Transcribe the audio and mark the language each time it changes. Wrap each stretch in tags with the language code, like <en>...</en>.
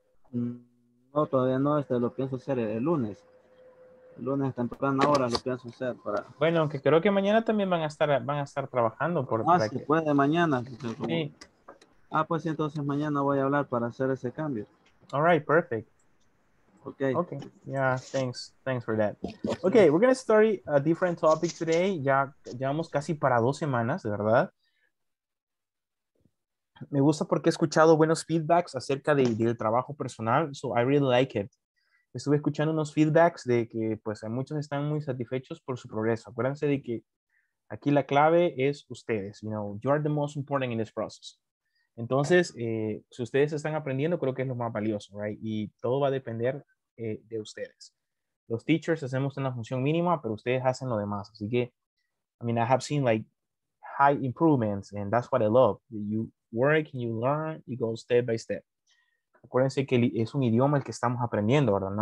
<es>No, todavía no. Lo pienso hacer el lunes. El lunes temprano ahora lo pienso hacer. Para... Bueno, aunque creo que mañana también van a estar trabajando. Puede mañana. Como... Sí. Ah, pues sí, entonces mañana voy a hablar para hacer ese cambio.</es> <en>All right, perfect. Okay. Okay. Yeah, thanks. Thanks for that. Okay, we're going to start a different topic today.</en> <es>Ya llevamos casi para dos semanas, de verdad. Me gusta porque he escuchado buenos feedbacks acerca del trabajo personal.</es> <en>So I really like it.</en> <es>Estuve escuchando unos feedbacks de que pues muchos están muy satisfechos por su progreso. Acuérdense de que aquí la clave es ustedes.</es> <en>You know, you are the most important in this process.</en> <es>Entonces, si ustedes están aprendiendo, creo que es lo más valioso, right? Y todo va a depender de ustedes. Los teachers hacemos una función mínima, pero ustedes hacen lo demás. Así que,</es> <en>I mean, I have seen like high improvements and that's what I love. You work, you learn, you go step by step.</en> <es>Acuérdense que es un idioma el que estamos aprendiendo, ¿verdad?</es>